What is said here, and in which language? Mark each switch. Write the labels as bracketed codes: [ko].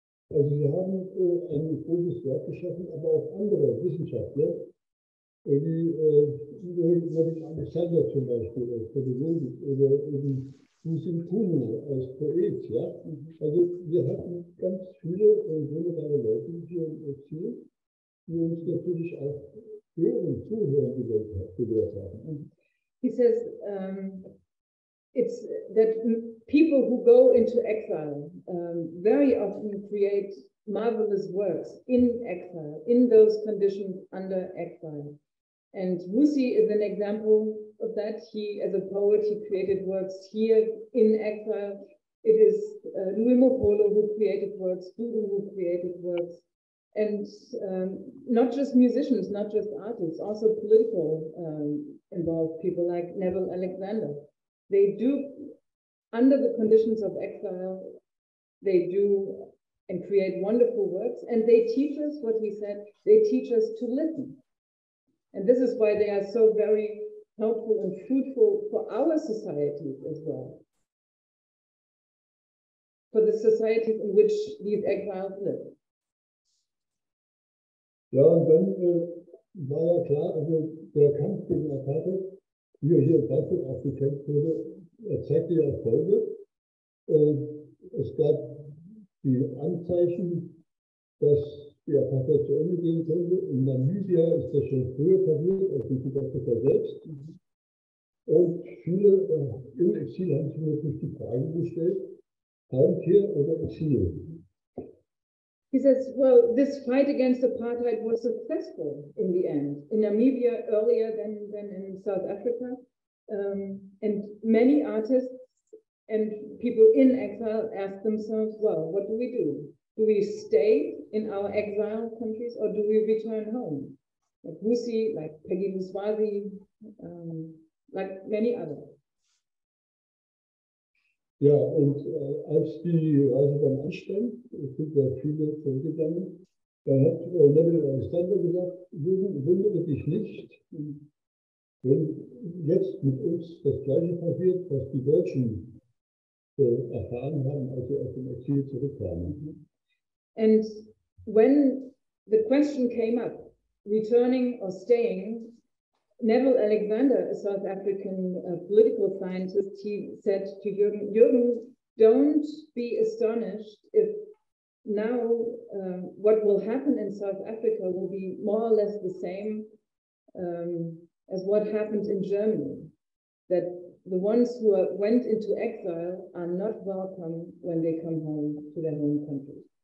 [de] Also sie haben ein großes Werk geschaffen, aber auch andere Wissenschaftler, wie Alexander zum Beispiel, als Pädagogik, oder eben Musikuno als Poet, ja. Also wir hatten ganz viele wunderbare Leute hier im Exil, die uns natürlich auch hören, zuhören gewährt haben. [en] He says, it's that people who go into exile very often create marvelous works in exile, in those conditions under exile. And Musi is an example of that. He, as a poet, he created works here in exile. It is Louis Mopolo who created works, Dudu who created works, and not just musicians, not just artists, also political involved people like Neville Alexander. They do, under the conditions of exile, they do and create wonderful works. And they teach us what he said, they teach us to listen. And this is why they are so very helpful and fruitful for our societies as well. For the societies in which these exiles live. [de] Ja, und dann war ja klar, also der Kampf gegen Apartheid, wie er hier in Frankfurt auch gekämpft wurde, er zeigte ja Erfolge. Es gab die Anzeichen, dass die Apartheid zu Ende gehen könnte. In Namibia ist das schon früher passiert, als die Südafrika selbst. Und viele im Exil haben sich wirklich die Frage gestellt, Heimkehr oder Exil? [en] He says, well, this fight against apartheid was successful in the end, in Namibia earlier than in South Africa. And many artists and people in exile ask themselves, well, what do we do? Do we stay in our exile countries or do we return home? Like Wusi, like Peggy Luswazi, like many others. [de] Ja, und als die Reise dann anstand, es sind ja viele zurückgegangen, da hat Neville Alexander gesagt, wundere dich nicht, wenn jetzt mit uns das Gleiche passiert, was die Deutschen erfahren haben, als sie aus dem Exil zurückkamen. [en] And when the question came up, returning or staying, Neville Alexander, a South African political scientist, he said to Jürgen, Jürgen, don't be astonished if now what will happen in South Africa will be more or less the same as what happened in Germany, that the ones who went into exile are not welcome when they come home to their home country.